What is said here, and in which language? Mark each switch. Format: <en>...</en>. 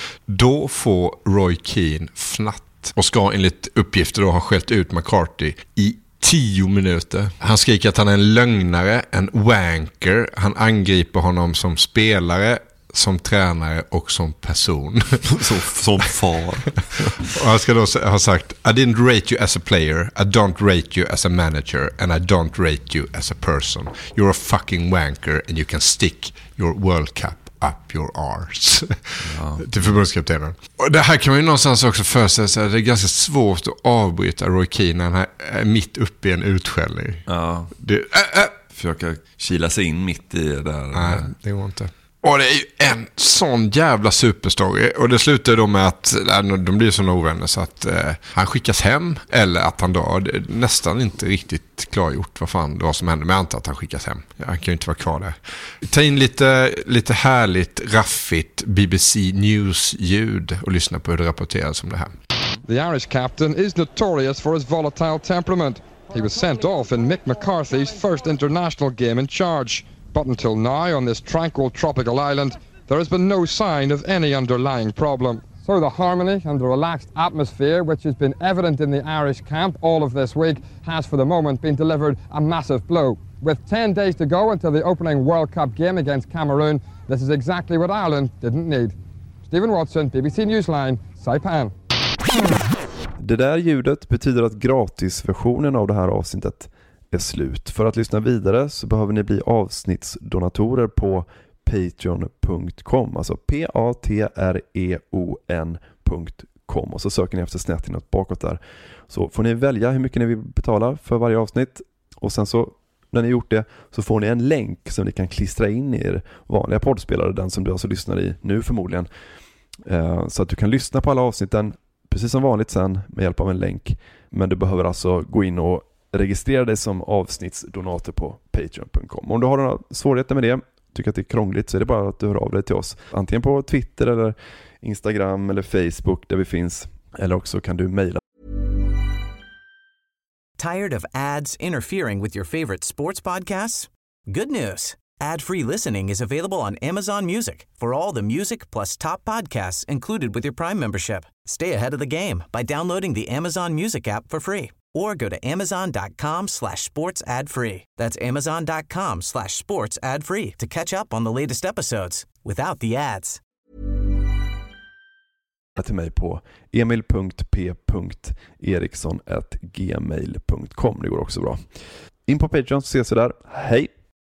<sv>Då får Roy Keane fnatt och ska enligt uppgifter då ha skällt ut McCarthy i 10 minuter. Han skriker att han är en lögnare, en wanker. Han angriper honom som spelare, som tränare och som person. Som far. Och han ska då ha sagt:</sv> <en>I didn't rate you as a player, I don't rate you as a manager, and I don't rate you as a person. You're a fucking wanker and you can stick your World Cup up your arse.</en> <sv>Ja. Till förbundskaptenen. Och det här kan man ju någonstans också föreställa sig, att det är ganska svårt att avbryta Roy Keane när han är mitt uppe i en utskällning. Ja. Försöka kila sig in mitt i det där. Nej, det går inte. Och det är ju en sån jävla superstory. Och det slutar då med att de blir såna ovänner så att han skickas hem eller att han dör. Det är nästan inte riktigt klargjort vad fan det var som hände. Men jag antar att han skickas hem. Han kan ju inte vara kvar där. Ta in lite härligt, raffigt BBC News-ljud och lyssna på hur det rapporteras om det här.</sv> <en>The Irish captain is notorious for his volatile temperament. He was sent off in Mick McCarthy's first international game in charge. But until now, on this tranquil tropical island, there has been no sign of any underlying problem. So the harmony and the relaxed atmosphere, which has been evident in the Irish camp all of this week, has for the moment been delivered a massive blow. With 10 days to go until the opening World Cup game against Cameroon, this is exactly what Ireland didn't need. Stephen Watson, BBC Newsline, Saipan.</en> <sv>Det där ljudet betyder att gratisversionen av det här avsnittet är slut. För att lyssna vidare så behöver ni bli avsnittsdonatorer på patreon.com, alltså patreon.com, och så söker ni efter snett inåt bakåt där. Så får ni välja hur mycket ni vill betala för varje avsnitt, och sen så när ni gjort det så får ni en länk som ni kan klistra in i er vanliga poddspelare, den som du alltså lyssnar i nu förmodligen, så att du kan lyssna på alla avsnitten precis som vanligt sen med hjälp av en länk. Men du behöver alltså gå in och registrera dig som avsnittsdonator på patreon.com. Om du har några svårigheter med det, tycker att det är krångligt, så är det bara att du hör av dig till oss. Antingen på Twitter eller Instagram eller Facebook där vi finns. Eller också kan du mejla.</sv> <en>Tired of ads interfering with your favorite sports podcasts? Good news! Ad-free listening is available on Amazon Music for all the music plus top podcasts included with your Prime membership. Stay ahead of the game by downloading the Amazon Music app for free. Or go to amazon.com/sportsadfree. That's amazon.com/sportsadfree to catch up on the latest episodes without the ads.</en> <sv>Till mig på emil.p.eriksson@gmail.com. Det går också bra. In på Patreon så ses vi där. Hej!</sv>